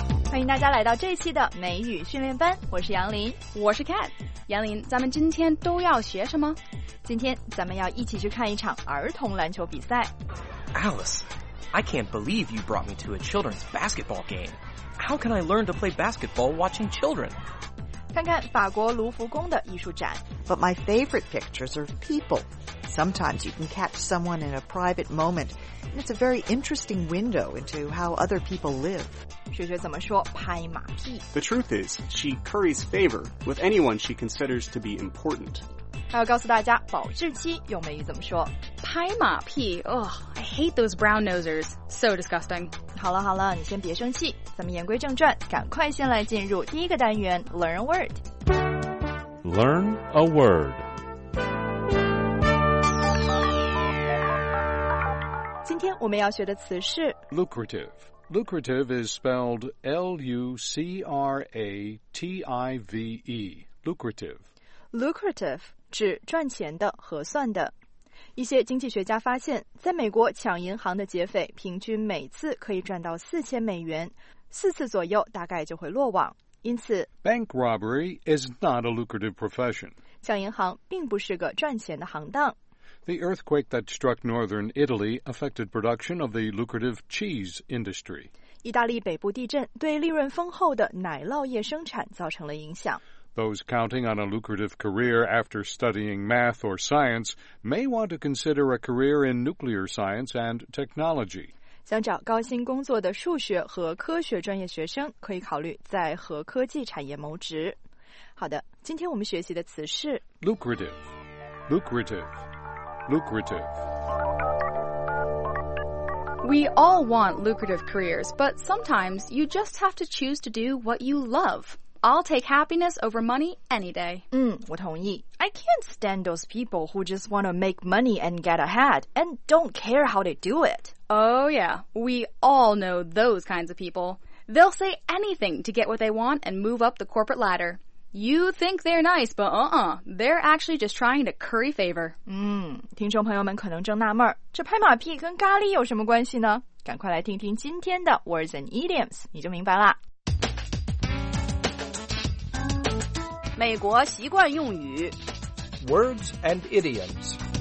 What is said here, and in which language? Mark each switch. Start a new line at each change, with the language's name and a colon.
Chinese: 欢迎大家来到这期的美语训练班，我是杨林，我是 Cat。杨林，咱们今天都要学什么？今天咱们要一起去看一场儿童篮球比赛。
English: Alice, I can't believe you brought me to a children's basketball game. How can I learn to play basketball watching children?
Chinese: 看看法国卢浮宫的艺术展。
English: But my favorite pictures are people. Sometimes you can catch someone in a private moment, and it's a very interesting window into how other people live.
Chinese: 学学怎么说拍马屁。
English: The truth is, she curries favor with anyone she considers to be important.
Chinese: 还要告诉大家保质期用美语怎么说。
English: 拍马屁， oh, I hate those brown nosers. So disgusting.
Chinese: 好了好了，你先别生气。咱们言归正传，赶快先来进入第一个单元
English: Learn a word. Learn a word.
Chinese: 今天我们要学的词是
English: Lucrative. Lucrative is spelled L-U-C-R-A-T-I-V-E. Lucrative.
Chinese: Lucrative 指赚钱的、合算的。一些经济学家发现，在美国抢银行的劫匪平均每次可以赚到$4,000，四次左右大概就会落网。因此
English: ，Bank robbery is not a lucrative profession.
Chinese: 抢银行并不是个赚钱的行当。
English: The earthquake that struck northern Italy affected production of the lucrative cheese industry.
Chinese: 意大利北部地震对利润丰厚的奶酪业生产造成了影响。
English: Those counting on a lucrative career after studying math or science may want to consider a career in nuclear science and technology.
Chinese: 想找高薪工作的数学和科学专业学生可以考虑在核科技产业谋职。好的，今天我们学习的词是
English: lucrative, lucrative, lucrative. We all want lucrative careers, but sometimes you just have to choose to do what you love. I'll take happiness over money any day.
Chinese: 我同意。
English: I can't stand those people who just want to make money and get ahead and don't care how they do it. Oh yeah, we all know those kinds of people. They'll say anything to get what they want and move up the corporate ladder. You think they're nice, but they're actually just trying to curry favor.
Chinese: 听众朋友们可能正纳闷，这拍马屁跟咖喱有什么关系呢？赶快来听听今天的 Words and Idioms, 你就明白了。美国习惯用语
English: Words and Idioms.